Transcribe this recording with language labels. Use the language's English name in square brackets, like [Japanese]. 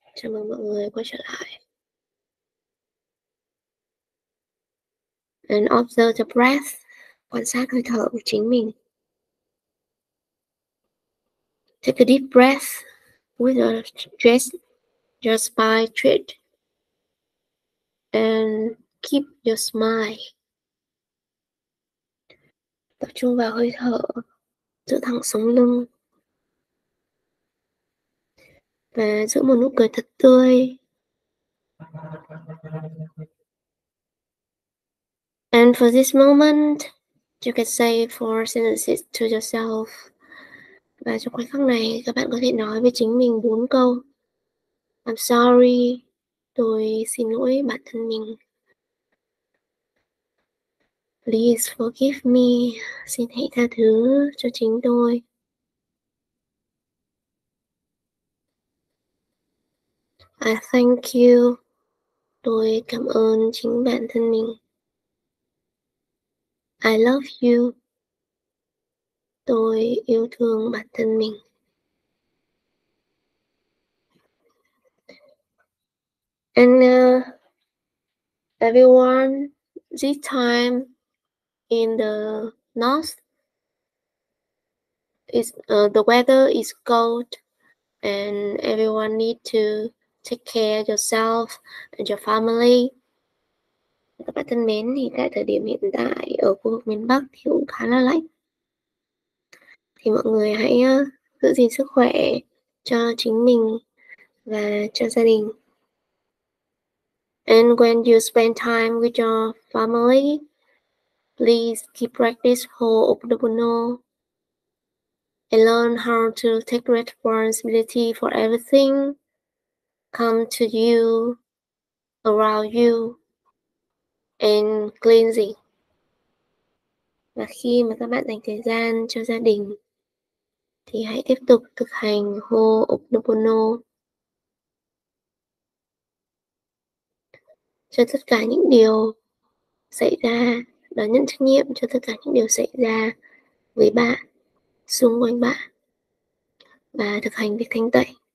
[Vietnamese] Chào mừng mọi người quay trở lại. [English] And observe the breath, [Vietnamese] quan sát hơi thở của chính mình. [English] Take a deep breath with your chest, your spine straight, and keep your smile. [Vietnamese] Tập trung vào hơi thở, giữ thẳng sống lưng. Và giữ một nụ cười thật tươi. [English] And for this moment, you can say four sentences to yourself. [Vietnamese] Và trong khoảnh khắc này, các bạn có thể nói với chính mình bốn câu. [English] I'm sorry, [Vietnamese] tôi xin lỗi bản thân mình. [English] Please forgive me, [Vietnamese] xin hãy tha thứ cho chính tôi. [English] I thank you, [Vietnamese] tôi cảm ơn chính bản thân mình. [English] I love you, [Vietnamese] tôi yêu thương bản thân mình. [English] And everyone, this time in the north, the weather is cold and everyone need to take care of yourself and your family. [Vietnamese] Các bạn thân mến, thì tại thời điểm hiện tại ở khu vực miền Bắc thì cũng khá là lạnh. Thì mọi người hãy giữ gìn sức khỏe cho chính mình và cho gia đình. [English] And when you spend time with your family, please keep practice oponopono and learn how to take responsibility for everything come to you, around you, and cleansing. [Vietnamese] Và khi mà các bạn dành thời gian cho gia đình thì hãy tiếp tục thực hành hô oponopono cho tất cả những điều xảy ra, đón nhận trách nhiệm cho tất cả những điều xảy ra với bạn, xung quanh bạn, và thực hành việc thanh tẩy.